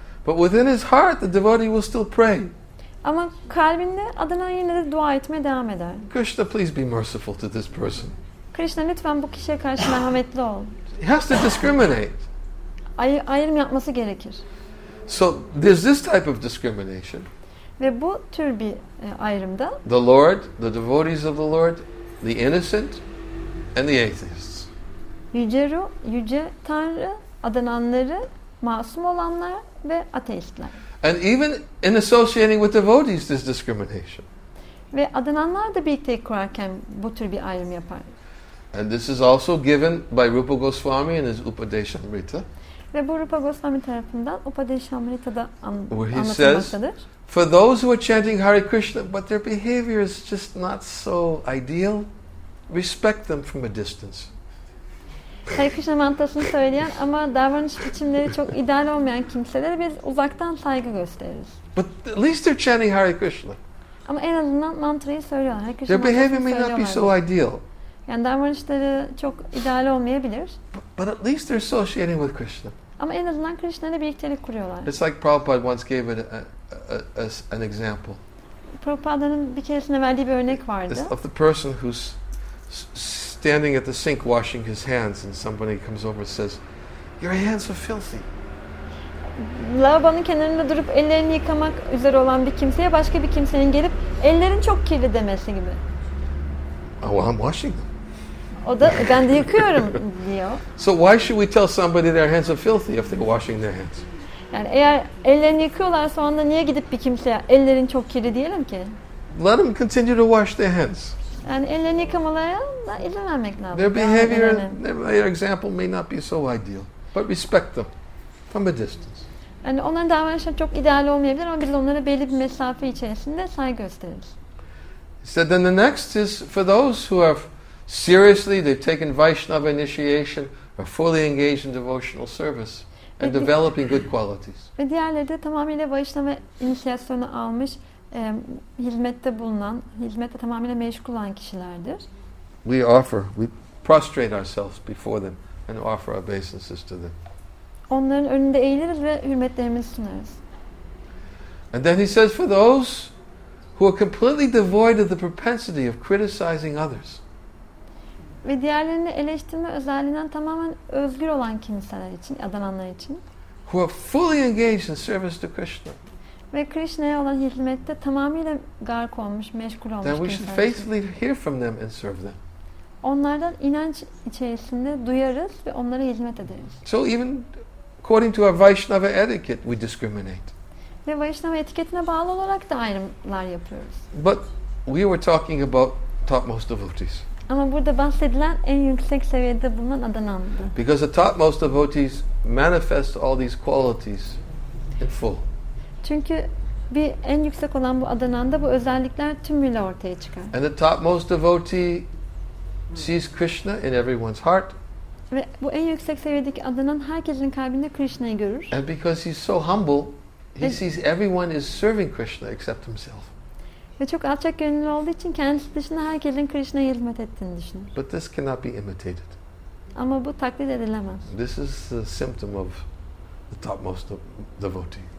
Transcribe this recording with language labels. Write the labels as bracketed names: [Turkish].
[English] But within his heart, the devotee will still pray. [Turkish] Ama kalbinde adanan yine de dua etmeye devam eder. [English] Krishna, please be merciful to this person. [Turkish] Krishna, lütfen bu kişiye karşı merhametli ol. [English] He has to discriminate. [Turkish] Ayrım yapması gerekir. [English] So there's this type of discrimination. [Turkish] Ve bu tür bir ayrımda. [English] The Lord, the devotees of the Lord, the innocent, and the atheists. [Turkish] Yüce Tanrı, adananları, masum olanlar ve ateistler. [English] And even in associating with devotees, there's discrimination. [Turkish] Ve adananlar da birlikte kurarken bu tür bir ayrım yapar. [English] And this is also given by Rupa Goswami in his Upadeshamrita. [Turkish] Ve bu Rupa Goswami tarafından Upadeshamrita'da anlatılmaktadır. [English] Where he says, for those who are chanting Hare Krishna, but their behavior is just not so ideal, respect them from a distance. [Turkish] Hare Krishna mantrasını söyleyen ama davranış biçimleri çok ideal olmayan kimselere biz uzaktan saygı gösteririz. [English] But at least they're chanting Hare Krishna. [Turkish] Ama en azından mantrayı söylüyorlar. Hare Krishna. [English] Their behavior may not be so ideal. [Turkish] Yani davranışları çok ideal olmayabilir. [English] But at least they're associating with Krishna. [Turkish] Ama en azından Krishna ile birliktelik kuruyorlar. [English] It's like Prabhupada once gave an example. [Turkish] Prabhupada'nın bir keresinde verdiği bir örnek vardı. [English] It's of the person who's standing at the sink washing his hands and somebody comes over and says, "Your hands are filthy." [Turkish] Lavabonun kenarında durup ellerini yıkamak üzere olan bir kimseye başka bir kimsenin gelip ellerin çok kirli demesi gibi. [English] Oh, well, I'm washing them. [Turkish] O da ben de yıkıyorum diyor. [English] So why should we tell somebody their hands are filthy if they're washing their hands? [Turkish] Yani eğer ellerini yıkıyorlarsa onda niye gidip bir kimseye ellerin çok kirli diyelim ki? [English] Let them continue to wash their hands. [Turkish] Yani ellerini yıkamalarına izin vermek lazım. [English] Their behavior, their example may not be so ideal, but respect them from a distance. [Turkish] Yani onların davranışları çok ideal olmayabilir ama biz onlara belli bir mesafe içerisinde saygı gösteririz. [English] So then the next is for those who have seriously, they've taken Vaishnava initiation, are fully engaged in devotional service and developing good qualities. [Turkish] Ve diğerleri de tamamıyla Vaishnava inisiyasyonu almış, hizmette bulunan, hizmette tamamıyla meşgul olan kişilerdir. [English] We prostrate ourselves before them and offer our obeisances to them. [Turkish] Onların önünde eğiliriz ve hürmetlerimizi sunarız. [English] And then he says for those who are completely devoid of the propensity of criticizing others. [Turkish] Ve diğerlerini eleştirme özelliğinden tamamen özgür olan kimseler için, adananlar için. [English] Who are fully engaged in service to Krishna. [Turkish] Ve Krishna'ya olan hizmette tamamıyla gark olmuş, meşgul olmuş kimseler için. [English] Then we should faithfully hear from them and serve them. [Turkish] Onlardan inanç içerisinde duyarız ve onlara hizmet ederiz. [English] So even according to our Vaishnava etiquette, we discriminate. [Turkish] Ve Vaishnava etiketine bağlı olarak da ayrımlar yapıyoruz. [English] But we were talking about topmost devotees. [Turkish] Ama burada bahsedilen en yüksek seviyede bulunan adanandı. [English] Because the topmost devotees manifest all these qualities in full. [Turkish] Çünkü bir en yüksek olan bu adananda bu özellikler tümüyle ortaya çıkar. [English] And the topmost devotee sees Krishna in everyone's heart. [Turkish] Ve bu en yüksek seviyedeki adanan herkesin kalbinde Krishna'yı görür. [English] And because he's so humble, he sees everyone is serving Krishna except himself. [Turkish] Ve çok alçak gönüllü olduğu için kendisi dışında herkesin Krishna'ya hizmet ettiğini düşünür. [English] But this cannot be imitated. [Turkish] Ama bu taklit edilemez. [English] This is the symptom of the topmost devotee.